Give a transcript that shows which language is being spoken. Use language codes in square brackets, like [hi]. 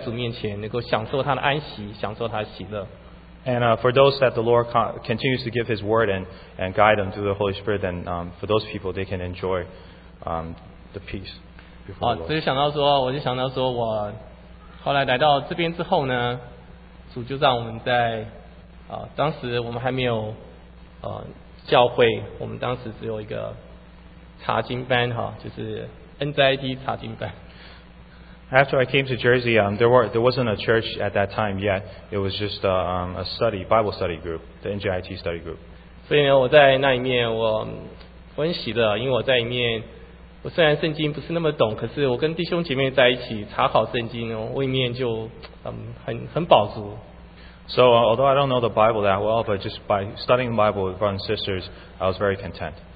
[zh] 哦，主让我们能够常常的让他领受他的话，能够接受他灵的带领，我们这个人能够在主面前能够享受他的安息，享受他的喜乐。 [en] And for those that the Lord continues to give His word and guide them through the Holy Spirit, then for those people, they can enjoy the peace before the Lord. After I came to Jersey, there wasn't a church at that time yet. It was just a study, Bible study group, the NJIT study group. [zh] 所以呢，我在那一面，我很喜乐，因为我在一面，我虽然圣经不是那么懂，可是我跟弟兄姐妹在一起查考圣经哦，我一面就很饱足。 [en] So although I don't know the Bible that well, but just by studying the Bible with brothers and sisters, I was very content.